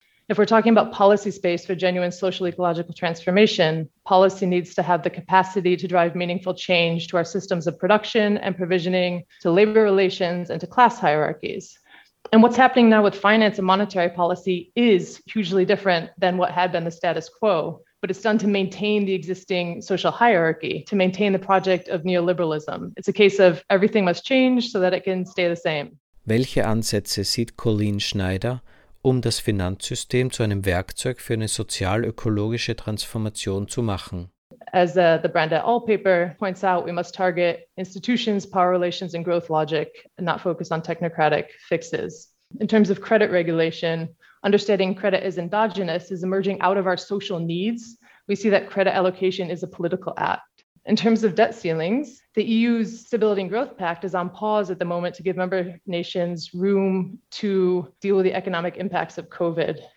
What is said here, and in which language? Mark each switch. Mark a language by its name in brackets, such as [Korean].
[English] If we're talking about policy space for genuine social ecological transformation, policy needs to have the capacity to drive meaningful change to our systems of production and provisioning, to labor relations, and to class hierarchies. And what's happening now with finance and monetary policy is hugely different than what had been the status quo, but it's done to maintain the existing social hierarchy, to maintain the project of neoliberalism. It's a case of everything must change so that it can stay the same. [German] Welche Ansätze sieht Colleen Schneider, um das Finanzsystem zu einem Werkzeug für eine sozial-ökologische Transformation zu machen? [English] As the Brand et al. Paper points out, we must target institutions, power relations and growth logic and not focus on technocratic fixes. In terms of credit regulation, understanding credit as endogenous is emerging out of our social needs. We see that credit allocation is a political act. In terms of debt ceilings, the EU's Stability and Growth Pact is on pause at the moment to give member nations room to deal with the economic impacts of COVID.